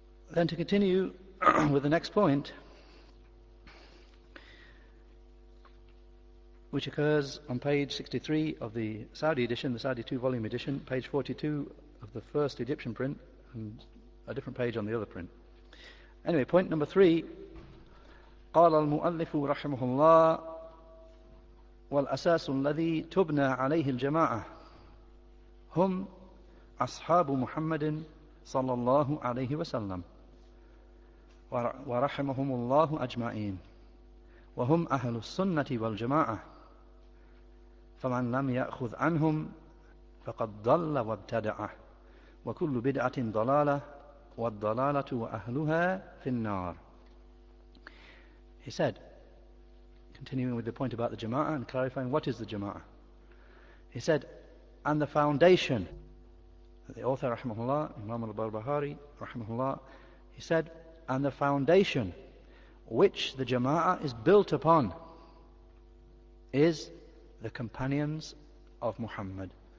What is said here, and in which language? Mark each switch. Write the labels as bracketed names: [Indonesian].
[English] Then to continue with the next point, which occurs on page 63 of the Saudi edition, the Saudi 2 volume edition, page 42 of the first Egyptian print, and a different page on the other print. Anyway, point number 3, [Arabic] قال المؤلف رحمه الله والأساس الذي تبنى عليه الجماعة هم أصحاب محمد صلى الله عليه وسلم ورحمهم الله أجمعين وهم أهل السنة والجماعة فمن لم يأخذ عنهم فقد ضل وابتدع وكل بدعة ضلالة والضلالة وأهلها في النار. [English] He said, continuing with the point about the Jama'ah and clarifying what is the Jama'ah, he said, and the foundation, the author rahimahullah, Imam al-Barbahari rahimahullah, he said, and the foundation which the Jama'ah is built upon is the companions of Muhammad.